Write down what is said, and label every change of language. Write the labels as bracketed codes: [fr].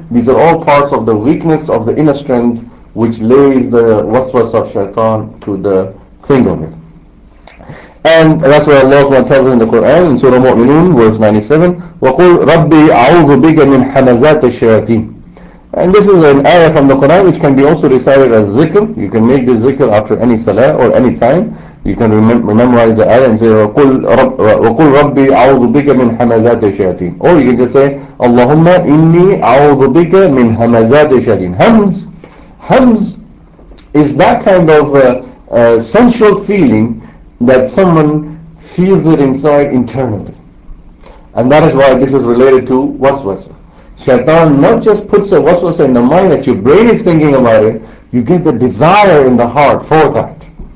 [en] These are all parts of the weakness of the inner strength, which lays the waswas of shaitan to the thing of it. And that's why Allah tells us in the Quran, in Surah Mu'minun, verse 97, [ar] وَقُلْ رَبِّي أَعُوذُ بِكَ مِنْ حَمَزَاتِ الشَّيَاطِينَ. [en] And this is an ayah from the Quran which can be also recited as zikr. You can make this zikr after any salah or any time. You can memorize the ayah and say, [ar] وَقُلْ رَبِّي أَعُوذُ بِكَ مِنْ حَمَزَاتِ الشَّيَاطِينَ. [en] Or you can just say, [ar] اللَّهُمَّ إِنِّي أَعُوذُ بِكَ مِنْ حَمَزَاتِ الشَّيَاطِينَ. [en] Hams. Hams is that kind of sensual feeling that someone feels it inside internally. And that is why this is related to waswasa. Shaitan not just puts a waswasa in the mind that your brain is thinking about it, you get the desire in the heart for that.